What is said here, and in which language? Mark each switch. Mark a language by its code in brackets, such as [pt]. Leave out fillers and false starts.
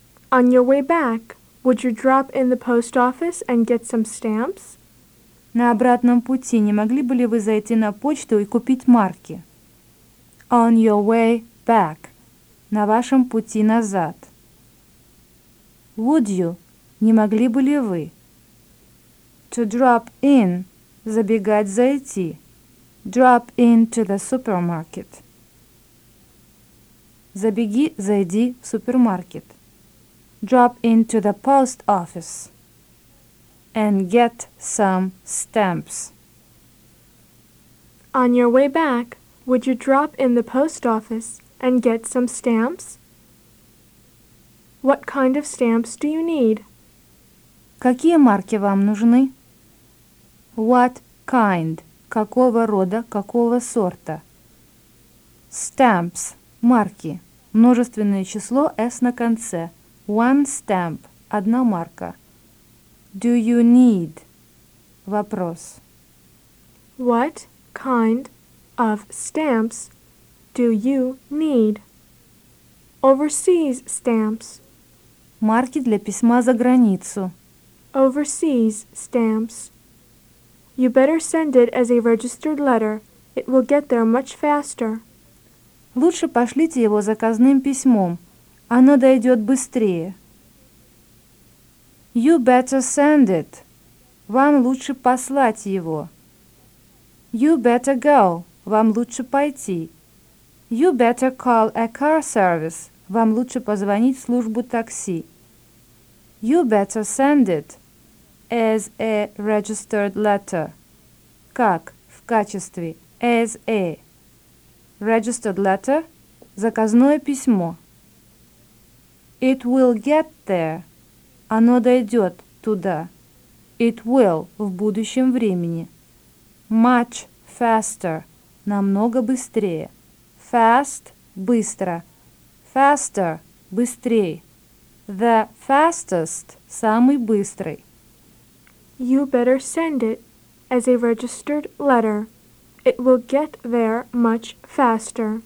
[en] On your way back, would you drop in the post office and get some stamps? [ru] На обратном пути не могли бы ли вы зайти на почту и купить марки? [en] On your way back. [ru] На вашем пути назад. [en] Would you? [ru] Не могли бы ли вы? [en] To drop in. [ru] Забегать, зайти. [en] Drop into the supermarket. [ru] Забеги, зайди в супермаркет. [en] Drop into the post office. And get some stamps. On your way back, would you drop in the post office and get some stamps? What kind of stamps do you need? [ru] Какие марки вам нужны? [en] What kind? [ru] Какого рода, какого сорта? [en] Stamps. [ru] Марки. Множественное число S на конце. [en] One stamp. [ru] Одна марка. [en] Do you need? [ru] Вопрос. [en] What kind of stamps do you need? Overseas stamps. [ru] Марки для письма за границу. [en] Overseas stamps. You better send it as a registered letter. It will get there much faster. [ru] Лучше пошлите его заказным письмом. Оно дойдет быстрее. [en] You better send it. [ru] Вам лучше послать его. [en] You better go. [ru] Вам лучше пойти. [en] You better call a car service. [ru] Вам лучше позвонить в службу такси. [en] You better send it as a registered letter. [ru] Как? В качестве. [en] As a. Registered letter. [ru] Заказное письмо. [en] It will get there. [ru] Оно дойдет туда. [en] It will [ru] в будущем времени. [en] Much faster. [ru] Намного быстрее. [en] Fast – [ru] быстро. [en] Faster – [ru] быстрее. [en] The fastest – [ru] самый быстрый. [en] You better send it as a registered letter. It will get there much faster.